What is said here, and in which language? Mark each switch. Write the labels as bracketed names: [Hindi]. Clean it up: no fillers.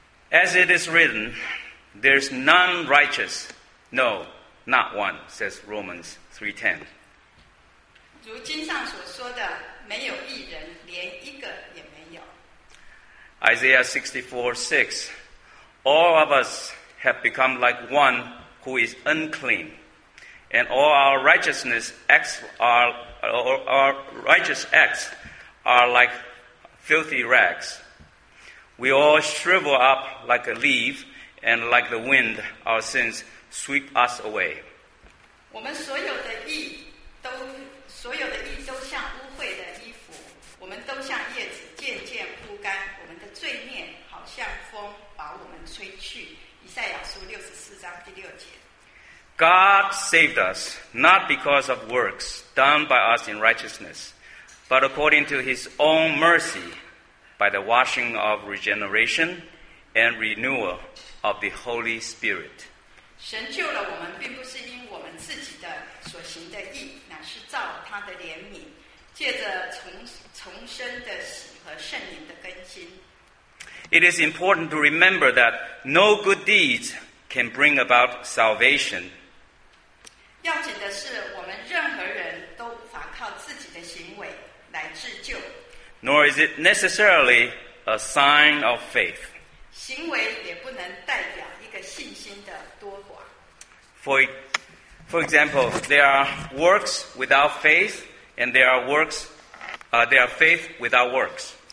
[English] As it is written, there is none righteous, no, not one, says Romans 3:10. [Chinese] 如经上所说的，没有义人，连一个也没有。 [English] Isaiah 64:6, all of us have become like one who is unclean, and all our righteousness acts our righteous acts are like filthy rags. We all shrivel up like a leaf, and like the wind, our sins sweep us away. [Chinese] 我们所有的义都所有的义都像污秽的衣服，我们都像叶子渐渐枯干。我们的罪孽好像风把我们吹去。以赛亚书六十四章第六节。 [English] God saved us not because of works done by us in righteousness, but according to His own mercy. By the washing of regeneration and renewal of the Holy Spirit. [Chinese] 神救了我们，并不是因我们自己的所行的义，乃是照他的怜悯，借着重生的洗和圣灵的更新。 [English] It is important to remember that no good deeds can bring about salvation. [Chinese] 要紧的是，我们任何人都无法靠自己的行为来自救。 [English] Nor is it necessarily a sign of faith. [Chinese] 行为也不能代表一个信心的多寡。 [English] For example, there are works without faith, and there are faith without works.